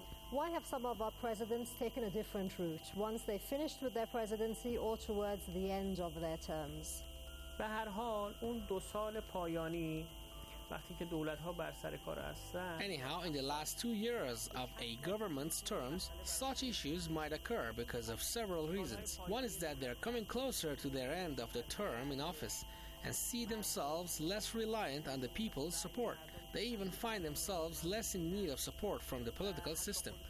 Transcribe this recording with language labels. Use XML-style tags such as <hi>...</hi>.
<en>Why have some of our presidents taken a different route once they finished with their presidency or towards the end of their terms?</en> <fa>به هر حال اون دو سال پایانی وقتی که دولت‌ها بر سر کار هستن.</fa> <en>Anyhow, in the last 2 years of a government's terms, such issues might occur because of several reasons. One is that they're coming closer to their end of the term in office and see themselves less reliant on the people's support. They even find themselves less in need of support from the political system.</en>